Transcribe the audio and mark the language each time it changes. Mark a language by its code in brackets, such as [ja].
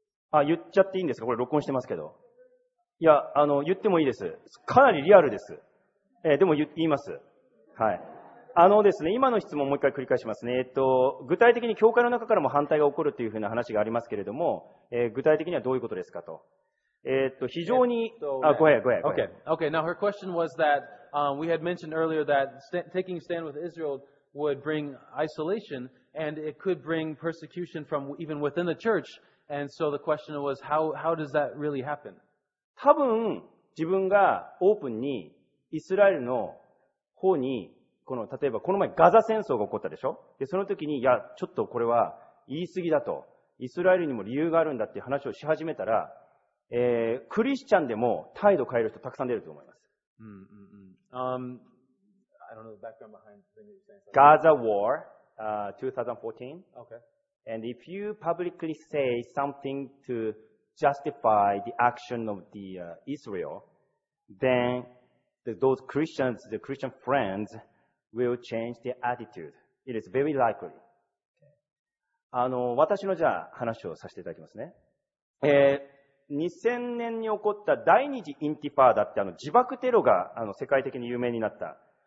[ja] あ、言っちゃっていいんですか？これ録音してますけど。いや、言ってもいいです。かなりリアルです。でも言います。はい。ですね、今の質問をもう一回繰り返しますね。具体的に教会の中からも反対が起こるというふうな話がありますけれども、具体的にはどういうことですかと。非常に、あ、ごめん、ごめん。 [en] Okay. Okay. Now her question was that, we had mentioned earlier that taking stand with Israel would bring isolation and it could bring persecution from even within the church. And so the question was, how does that really happen? [ja] 多分、自分がオープンに、イスラエルの方に、例えばこの前ガザ戦争が起こったでしょ？で、その時に、いや、ちょっとこれは言い過ぎだと。イスラエルにも理由があるんだっていう話をし始めたら、クリスチャンでも態度変える人たくさん出ると思います。 [en] I don't know the background behind the new sense. Gaza War, 2014. Okay. And if you publicly say something toJustify the action of the Israel, then those Christians, the Christian friends, will change their attitude. It is very likely. [ja] 私のじゃあ話をさせていただきますね。2000年に起こった第二次インティファーダって自爆テロが世界的に有名になった。